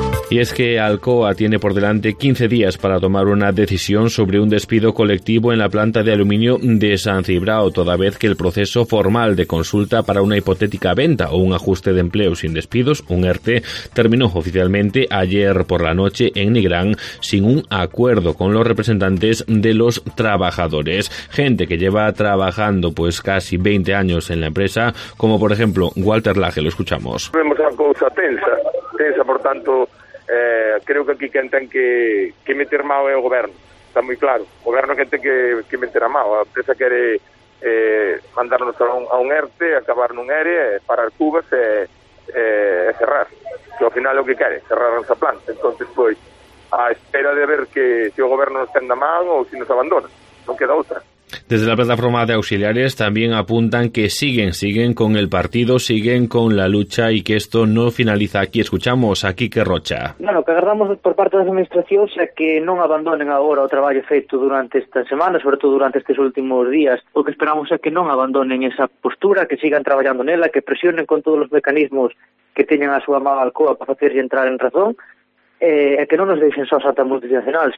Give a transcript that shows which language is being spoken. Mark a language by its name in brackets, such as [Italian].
[Spanish] Y es que Alcoa tiene por delante 15 días para tomar una decisión sobre un despido colectivo en la planta de aluminio de San Cibrao, toda vez que el proceso formal de consulta para una hipotética venta o un ajuste de empleo sin despidos, un ERTE, terminó oficialmente ayer por la noche en Nigrán sin un acuerdo con los representantes de los trabajadores. Gente que lleva trabajando pues casi 20 años en la empresa, como por ejemplo Walter Laje, lo escuchamos. Vemos una cosa tensa, por tanto... [Galician] creo que aquí quen ten que meter mao é o goberno, está moi claro. O goberno quen ten que meter a mao. A empresa quere mandarnos a un ERTE, acabar nun ERE, parar cubas e cerrar. Que ao final é o que quere, cerrar a nosa planta. Entón, pois, a espera de ver que se o goberno nos tenda mao ou se nos abandona. Non queda outra. [Spanish] Desde la plataforma de auxiliares también apuntan que siguen con el partido, siguen con la lucha y que esto no finaliza aquí. Escuchamos a Quique Rocha. [Galician] Bueno, que agardamos por parte das administracións é que non abandonen agora o traballo feito durante esta semana, sobre todo durante estes últimos días. O que esperamos é que non abandonen esa postura, que sigan traballando nela, que presionen con todos os mecanismos que teñen a súa mano Alcoa para facerlle entrar en razón, e que non nos deixen sós ata multinacional.